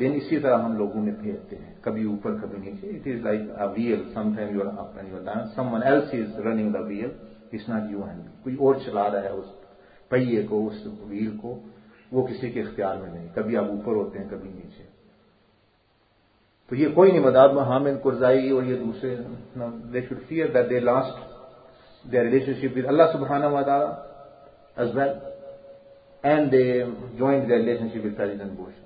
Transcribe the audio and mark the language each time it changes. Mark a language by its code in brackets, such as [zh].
[ur] یہ دن اسی طرح ہم لوگوں میں پھیرتے ہیں, کبھی اوپر کبھی نیچے. [en] It is like a wheel, sometimes you are up and you are down, someone else is running the wheel. It's not you and me. [ur] کوئی اور چلا رہا ہے اس پہیے کو, اس ویل کو, وہ کسی کے اختیار میں نہیں. کبھی آپ اوپر ہوتے ہیں کبھی نیچے. تو یہ کوئی نہیں مداد حامد کرزائی اور یہ دوسرے, [en] They should fear that they lost their relationship with Allah سبحانہ و تعالیٰ as well and they joint their relationship with president Bush.